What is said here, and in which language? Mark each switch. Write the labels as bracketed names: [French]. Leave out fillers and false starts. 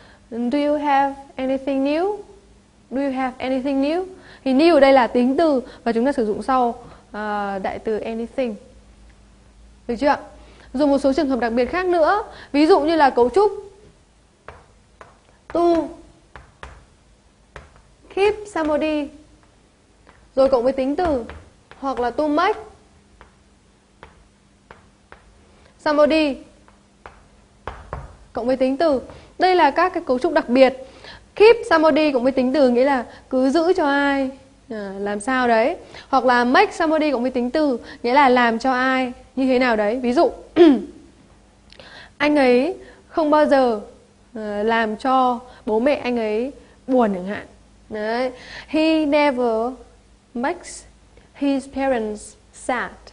[English] Do you have anything new? Do you have anything new? [Vietnamese] Thì new ở đây là tính từ và chúng ta sử dụng sau đại từ anything, được chưa? Rồi một số trường hợp đặc biệt khác nữa, ví dụ như là cấu trúc to keep somebody rồi cộng với tính từ, hoặc là to make somebody cộng với tính từ. Đây là các cái cấu trúc đặc biệt. Keep somebody cộng với tính từ nghĩa là cứ giữ cho ai làm sao đấy, hoặc là make somebody cộng với tính từ nghĩa là làm cho ai như thế nào đấy. Ví dụ anh ấy không bao giờ làm cho bố mẹ anh ấy buồn chẳng hạn. [English] Đấy, he never makes his parents sad.